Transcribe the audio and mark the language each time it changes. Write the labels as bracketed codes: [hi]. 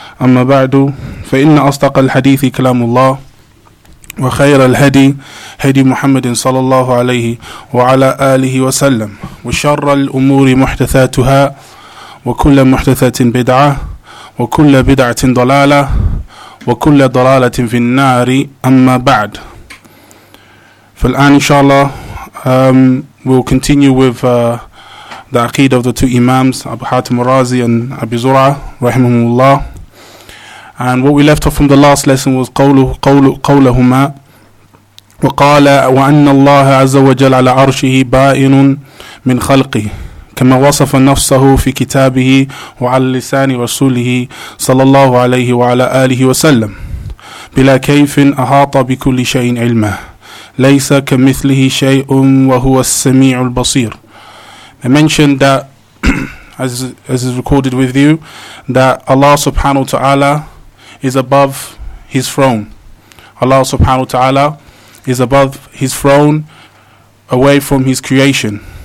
[ar] أما بعد، فإن أصدق الحديث كلام الله، وخير الهدي هدي محمد صلى الله عليه وعلى آله وسلم، وشر الأمور محدثاتها، وكل محدثة بدعة، وكل بدعة ضلالة، وكل ضلالة في النار. أما بعد، فالآن إن شاء الله [en] we'll continue with the Aqeed of the two Imams, Abu Hatim al-Razi and Abi Zur'a, rahimahumullah. And what we left off from the last lesson was [ar] قَوْلَهُمَا وَقَالَ وَأَنَّ اللَّهَ عَزَّ وَجَلَ عَلَى عَرْشِهِ بَائِنٌ مِّنْ خَلْقِهِ كَمَا وَصَفَ نَفْسَهُ فِي كِتَابِهِ وَعَلَى لِسَانِ رَسُولِهِ صَلَى اللَّهُ عَلَيْهِ وَعَلَى آلِهِ وَسَلَّمْ بِلَا كَيْفٍ أَحَاطَ بِكُلِّ شَيْءٍ عِلْمَهُ ليس كمثله شيء وهو السميع البصير. [en] I mentioned that, as is recorded with you, that Allah subhanahu wa ta'ala is above his throne. Allah subhanahu wa ta'ala is above his throne, away from his creation.